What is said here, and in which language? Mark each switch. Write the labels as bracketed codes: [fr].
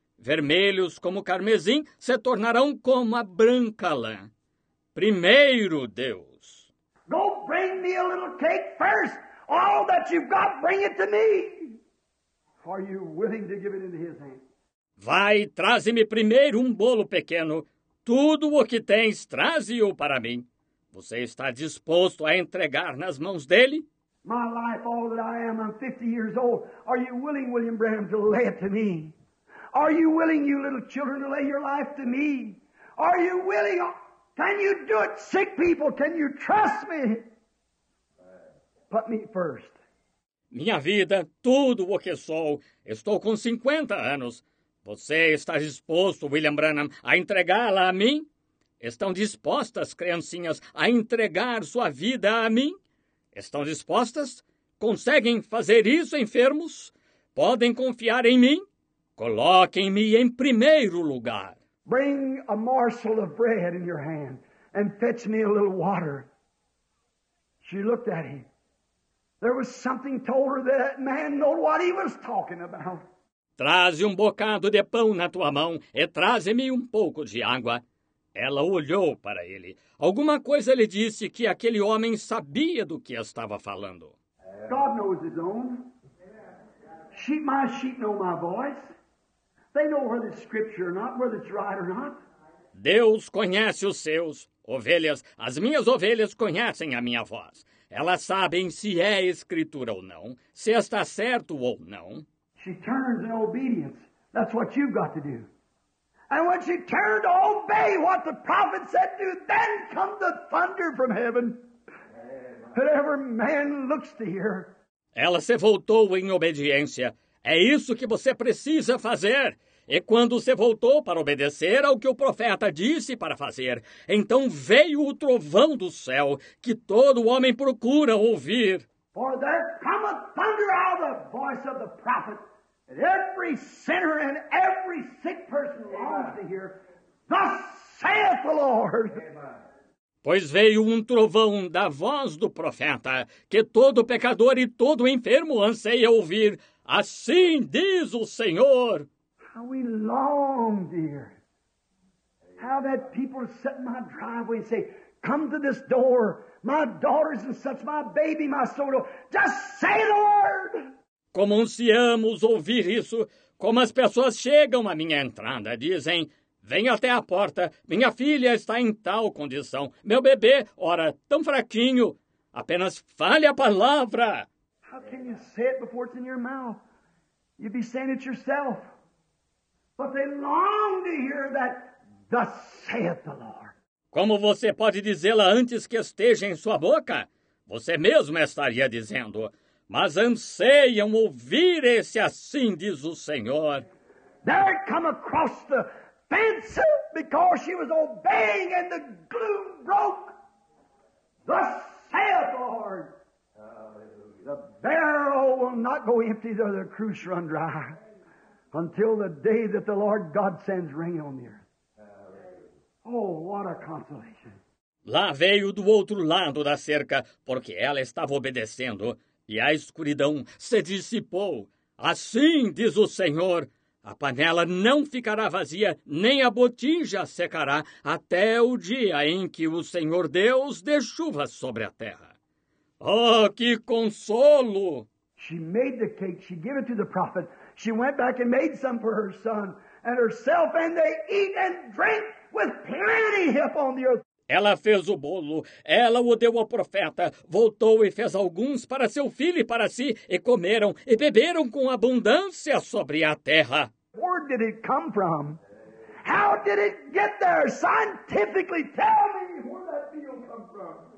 [pt] Vermelhos como carmesim se tornarão como a branca lã. Primeiro Deus. [en] Go bring me a little cake first. All that you've got, bring it to me. Are you willing to give it into his hand? [pt] Vai, traze-me primeiro um bolo pequeno. Tudo o que tens, traze-o para mim. Você está disposto a entregar nas mãos dele? [en] My life, all that I am, I'm 50 years old. Are you willing, William Branham, to lay it to me? Are you willing, you little children, to lay your life to me? Are you willing? Can you do it, sick people? Can you trust me? Put me first. [pt] Minha vida, tudo o que sou, estou com 50 anos. Você está disposto, William Branham, a entregá-la a mim? Estão dispostas, criancinhas, a entregar sua vida a mim? Estão dispostas? Conseguem fazer isso, enfermos? Podem confiar em mim? Coloquem-me em primeiro lugar. [en] Bring a morsel of bread in your hand and fetch me a little water. She looked at him. There was something told her that man knew what he was talking about. [pt] Traze um bocado de pão na tua mão e traze-me um pouco de água. Ela olhou para ele. Alguma coisa lhe disse que aquele homem sabia do que estava falando. [en] God knows his own. Sheep, my sheep know my voice. They know whether it's scripture or not, whether it's right or not. [pt] Deus conhece os seus. Ovelhas, as minhas ovelhas conhecem a minha voz. Elas sabem se é escritura ou não, se está certo ou não. [en] She turns in obedience. That's what you've got to do. And when she turned to obey what the prophet said to, then come the thunder from heaven. And every man looks to hear. [pt] Ela se voltou em obediência. É isso que você precisa fazer. E quando se voltou para obedecer ao que o profeta disse para fazer, então veio o trovão do céu que todo homem procura ouvir. [en] For there cometh thunder out of the voice of the prophet, and every sinner and every sick person longs to hear, thus saith the Lord. [pt] Pois veio um trovão da voz do profeta, que todo pecador e todo enfermo anseia ouvir. Assim diz o Senhor. [en] How we long, dear. How that people set my driveway and say, come to this door. My daughters and such, my baby, my soul. Just say the word. [pt] Como ansiamos ouvir isso. Como as pessoas chegam à minha entrada, dizem, vem até a porta. Minha filha está em tal condição. Meu bebê, ora, tão fraquinho. Apenas fale a palavra. [en] How can you say it before it's in your mouth? You'd be saying it yourself. But they long to hear that, thus saith the Lord. [pt] Como você pode dizê-la antes que esteja em sua boca? Você mesmo estaria dizendo. Mas anseiam ouvir esse assim, diz o Senhor. [en] There come across the fence because she was obeying and the gloom broke. Thus saith the Lord. The barrel will not go empty though the cruse run dry until the day that the Lord God sends rain on the earth. Oh, what a consolation. [pt] Lá veio do outro lado da cerca, porque ela estava obedecendo, e a escuridão se dissipou. Assim, diz o Senhor, a panela não ficará vazia, nem a botija secará, até o dia em que o Senhor Deus dê chuva sobre a terra. Oh, que consolo! [en] She made the cake, she gave it to the prophet, she went back and made some for her son, and herself, and they eat and drink. With plenty hip on the earth. [pt] Ela fez o bolo, ela o deu ao profeta, voltou e fez alguns para seu filho e para si, e comeram e beberam com abundância sobre a terra. [en] Where did it come from? How did it get there? Scientifically, tell me where that field come from.